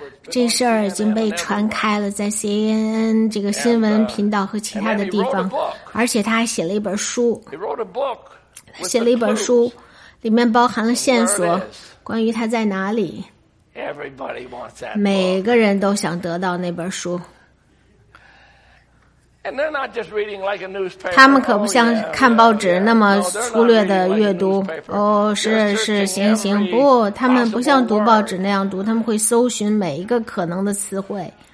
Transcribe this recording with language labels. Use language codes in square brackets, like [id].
[zh] 这事儿已经被传开了，在 CNN 这个新闻频道和其他的地方，而且他还写了一本书。他写了一本书，里面包含了线索，关于他在哪里。 [en] Everybody wants that. [zh] 每个人都想得到那本书。 [en] And they're not just reading like a newspaper. [zh] 他们可不像看报纸那么粗略的阅读。哦，是是，行行，不，他们不像读报纸那样读，他们会搜寻每一个可能的词汇。